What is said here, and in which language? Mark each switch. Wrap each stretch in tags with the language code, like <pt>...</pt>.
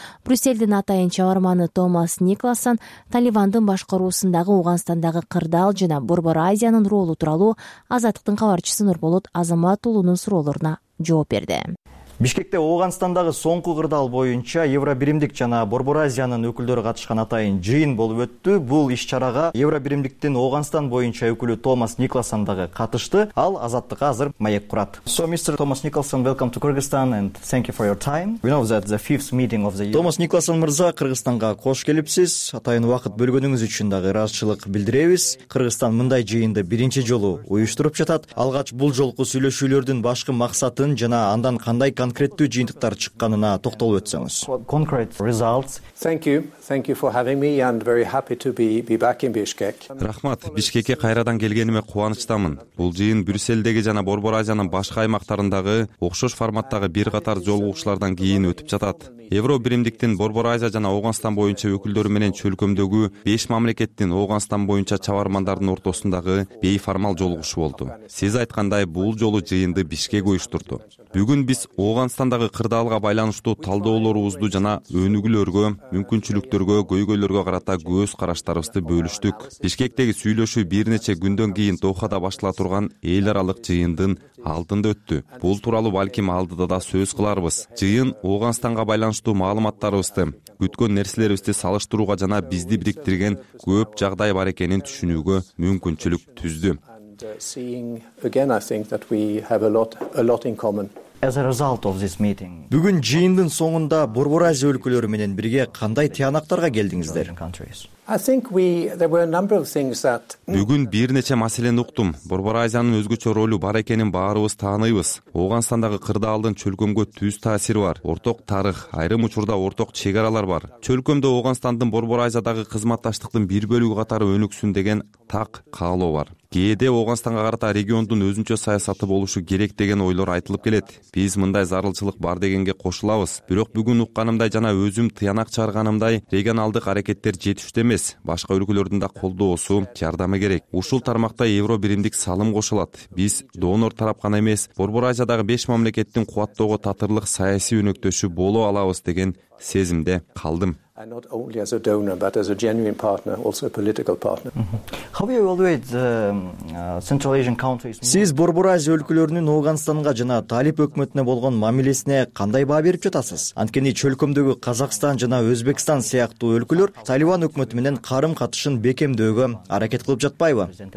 <ky>Брюсселдин атайын чабарманы Томас Никласан Талибандын башкаруусундагы Ооганстандагы кырдаал жана Борбор Азиянын ролу тууралуу Азаттыктын кабарчысы Нурболот Азамат уулунун суроолоруна жооп берди. Бишкекте Оогонстандагы соңку кырдаал боюнча Евробиримдик жана Борбор Азиянын өкүлдөрү катышкан атайын жыйын болуп өттү. Бул иш-чарага Евробиримдиктин Оогонстан боюнча өкүлү Томас Никласан дагы катышты. Ал азаттыкка азыр маек курат.</ky> <en>So Mr. Thomas Nicholson, welcome to Kyrgyzstan and thank you for your time. We know that the fifth meeting of the year.</en> <ky>Томас Никласан мырза, Кыргызстанга кош келипсиз. Атайын убакыт бөлгөнүңүз үчүн дагы ыраазычылык билдиребиз. Кыргызстан мындай жыйынды биринчи жолу уюштуруп жатат. Алгач бул жолку сүйлөшүүлөрдүн башкы максатын жана андан кандай конкреттүү жыйынтыктар чыкканына токтолуп өтсөңүз.</ky> <en>Concrete results. Thank you for having me and very happy to be back in Bishkek.</en> <ky>Рахмат, Бишкекке кайрадан келгениме кубанычтамын. Бул жыйын Брюссельдеги жана Борбор Азиянын башка аймактарындагы окшош форматтагы бир катар жолугушуулардан кийин өтүп жатат. Евро биримдиктин Борбор Азия жана Ооганстан боюнча өкүлдөрү менен чөлкөмдөгү 5 мамлекеттин Ооганстан боюнча чабармандардын ортосундагы бейформал жолугушуу болду. Сиз айткандай, бул жолу жыйынды Бишкек уюштурду. Бүгүн биз Оогонстандагы кырдаалга байланыштуу талдоолорубузду жана өнүгүүлөргө, мүмкүнчүлүктөргө, көйгөйлөргө карата көз караштарыбызды бөлүштүк. Бишкектеги сүйлөшүү бир нече күндөн кийин Дохада башыла турган эл аралык жыйындын алдында өттү. Бул тууралуу балким алдыда да сөз кыларбыз. Жыйын Ооганстанга байланыштуу маалыматтарыбызды, күткөн нерселерибизди салыштырууга жана бизди бириктирген көп жагдай бар экенин түшүнүүгө мүмкүнчүлүк түздү.</ky> <en>Seeing again, I think that we have a lot in common. As a result of this meeting.</en> <ky>Бүгүн жыйындын соңунда Борбор Азия өлкөлөрү менен бирге кандай тыянактарга келдиңиздер?</ky> <en>I think there were a number of things that</en> <ky>Бүгүн бир нече маселени уктум. Борбор Азиянын өзгөчө ролу бар экенин баарыбыз тааныйбыз. Оогонстандагы кырдаалдын чөлкөмгө түз таасири бар. Орток тарых, айрым учурда орток чек аралар бар. Чөлкөмдө Оогонстандын Борбор Азиядагы кызматташтыктын бир бөлүгү катары өнүксүн деген так каалоо бар. Кээде Ооганстанга карата региондун өзүнчө саясаты болушу керек деген ойлор айтылып келет. Биз мындай зарылчылык бар дегенге кошулабыз. Бирок бүгүн укканымдай жана өзүм тыянак чыгарганымдай регионалдык аракеттер жетиштүү эмес. Башка өлкөлөрдүн да колдоосу, жардамы керек. Ушул тармакта Евро биримдик салым кошулат. Биз донор тарап гана эмес, Борбор Азиядагы 5 мамлекеттин кубаттоого татырлык саясий өнөктөшү боло алабыз деген сезимде калдым.</ky> <en>And not only as a donor but as a genuine partner, also a political partner. How you evaluate the Central Asian countries?</en> <ky>Сиз Борбор Азия өлкөлөрүнүн Ооганстанга жана Талип өкмөтүнө болгон мамилесине кандай баа берип жатасыз? Анткени чөлкөмдөгү Казакстан жана Өзбекстан сыяктуу өлкөлөр Талибан өкмөтү менен карым-катышын бекемдөөгө аракет кылып жатпайбы?</ky>